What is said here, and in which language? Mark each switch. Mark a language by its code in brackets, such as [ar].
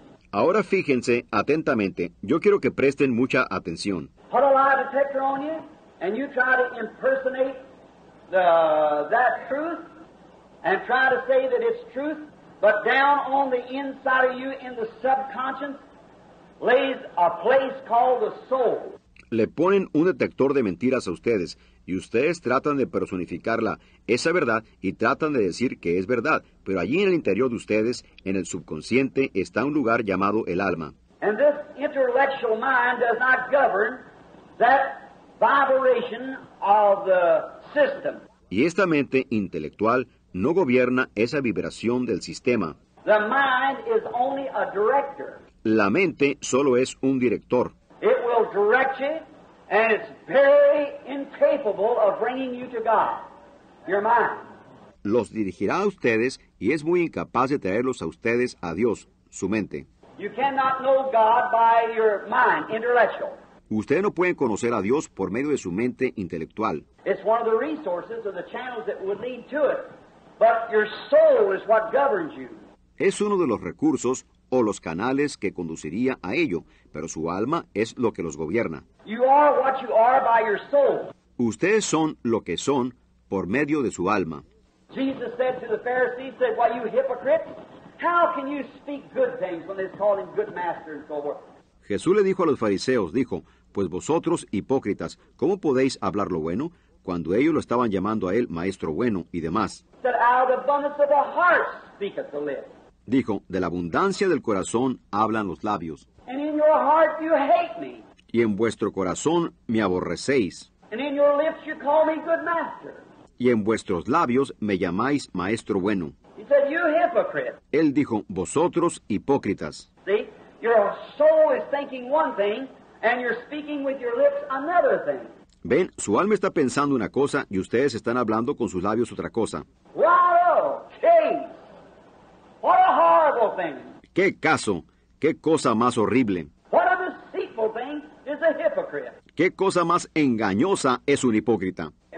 [es] Ahora fíjense atentamente, yo quiero que presten mucha atención. [en] Put a lie detector on you, and you try to impersonate that truth, and try to say that it's truth, but down on the inside of you, in the subconscious, lays a place called the soul. [es] Le ponen un detector de mentiras a ustedes, y ustedes tratan de personificarla, esa verdad, y tratan de decir que es verdad, pero allí en el interior de ustedes, en el subconsciente, está un lugar llamado el alma. [en] And this intellectual mind does not govern that vibration of the system. [es] Y esta mente intelectual no gobierna esa vibración del sistema. [en] The mind is only a director. [es] La mente solo es un director. [en] It will direct you, and it's very incapable of bringing you to God, your mind. [es] Los dirigirá a ustedes, y es muy incapaz de traerlos a ustedes a Dios, su mente. [en] You cannot know God by your mind, intellectual. [es] Ustedes no pueden conocer a Dios por medio de su mente intelectual. [en] It's one of the resources or the channels that would lead to it, but your soul is what governs you. [es] Es uno de los recursos o los canales que conduciría a ello, pero su alma es lo que los gobierna. [en] You are what you are by your soul. [es] Ustedes son lo que son por medio de su alma. [en] Jesus said to the Pharisees, said, "Why, you hypocrites, how can you speak good things when they call him good master and so forth?" [es] Jesús le dijo a los fariseos, dijo, pues vosotros, hipócritas, ¿cómo podéis hablar lo bueno? Cuando ellos lo estaban llamando a él maestro bueno y demás. [en] That out of abundance of the heart speaketh the lips. [es] Dijo, de la abundancia del corazón hablan los labios. [en] And in your heart you hate me. [es] Y en vuestro corazón me aborrecéis. [en] And in your lips you call me good master. [es] Y en vuestros labios me llamáis maestro bueno. [en] He said, you hypocrite. [es] Él dijo, vosotros hipócritas. [en] See, your soul is thinking one thing, and you're speaking with your lips another thing. [es] Ven, su alma está pensando una cosa, y ustedes están hablando con sus labios otra cosa. [en] Wow, okay. What a horrible thing. [es] ¡Qué caso! ¡Qué cosa más horrible! [en] What a deceitful thing is a hypocrite. [es] ¡Qué cosa más engañosa es un hipócrita!